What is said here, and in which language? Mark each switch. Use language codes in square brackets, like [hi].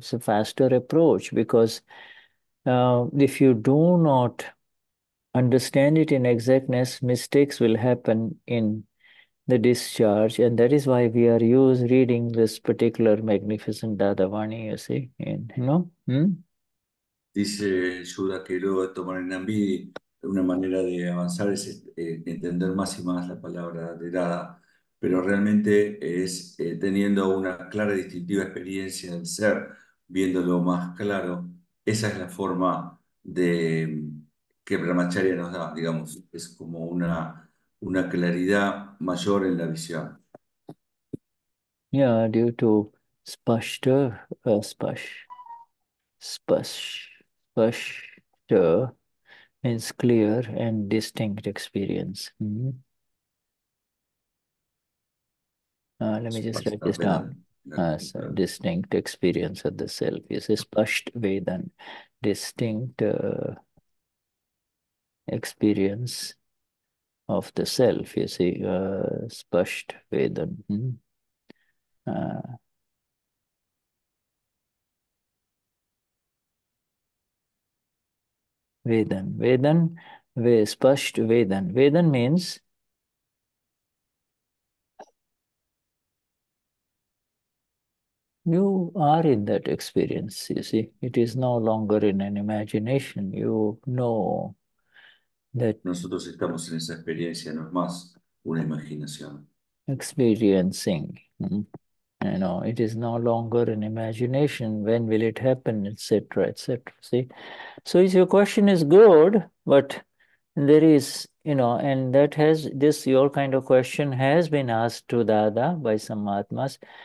[en] It's a faster approach, because if you do not understand it in exactness, mistakes will happen in the discharge, and that is why we are reading this particular magnificent Dadavani, you see, [es] Dice Yuda que luego de tomar el Nambi, una manera de avanzar es entender más y más la palabra de Dada, pero realmente es teniendo una clara y distintiva experiencia del ser, viéndolo más claro, esa es la forma de que Brahmacharya nos da, digamos, es como una claridad mayor en la visión. [en] Yeah, due to spashta, spashta means clear and distinct experience. Let me just write this down. Distinct experience of the self. This is spashta vedan, distinct experience of the self, you see, spasht vedan. Vedan, spasht vedan. Vedan means you are in that experience, you see. It is no longer in an imagination. You know. [es] Nosotros estamos en esa experiencia, no es más una imaginación. [en] Experiencing. You know, it is no longer an imagination. When will it happen, etc., etc. See? So your question is good, but there is, you know, and that has, this your kind of question has been asked to Dada by some Mahatmas.